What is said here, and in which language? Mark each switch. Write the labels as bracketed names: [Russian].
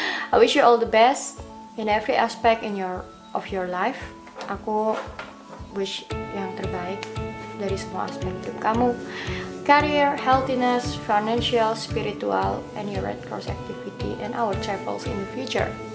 [English] I wish you all the best in every aspect in your of your life. [Indonesian] Aku wish yang terbaik dari semua aspek hidup kamu. [English] Career, healthiness, financial, spiritual, and your Red Cross activity and our travels in the future.